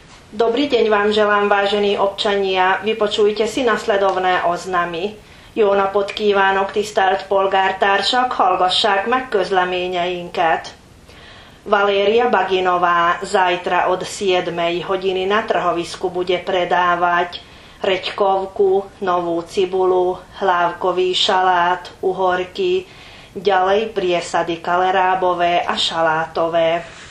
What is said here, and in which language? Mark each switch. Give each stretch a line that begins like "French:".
Slovak: Dobrý deň vám želám, vážení občania. Vypočujte si nasledovné oznamy.
Hungarian: Jó napot kívánok, tisztelt polgártársak, hallgassák meg közleményeinket.
Slovak: Valéria Baginová zajtra od 7. hodiny na trhovisku bude predávať reďkovku, novú cibulu, hlávkový šalát, uhorky, ďalej priesady kalerábové a šalátové.